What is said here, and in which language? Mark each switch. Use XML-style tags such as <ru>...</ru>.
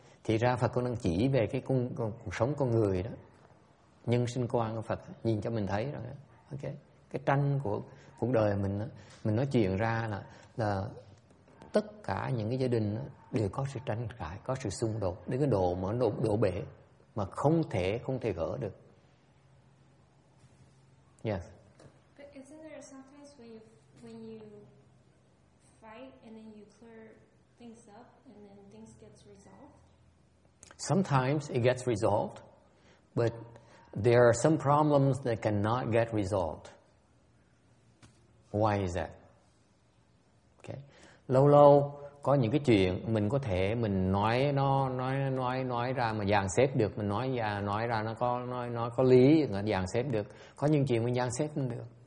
<vi>Thì ra Phật cũng đang chỉ về cái cuộc sống con người đó, nhân sinh quan của Phật, nhìn cho mình thấy rồi. Ok, cái tranh của cuộc đời mình đó, mình nói chuyện ra là tất cả những cái gia đình đều có sự tranh cãi, có sự xung đột đến cái độ mà đổ bể mà không thể gỡ được.</vi> <en>Yes. But isn't there sometimes when you fight and then you clear things up and then things gets resolved? Sometimes it gets resolved, but there are some problems that cannot get resolved. Why is that?</en> <vi>Lâu lâu có những cái chuyện mình có thể mình nói nó nói ra mà dàn xếp được, mình nói và nói ra nó có nói có lý, dàn xếp được. Có những chuyện mình dàn xếp không được.</vi>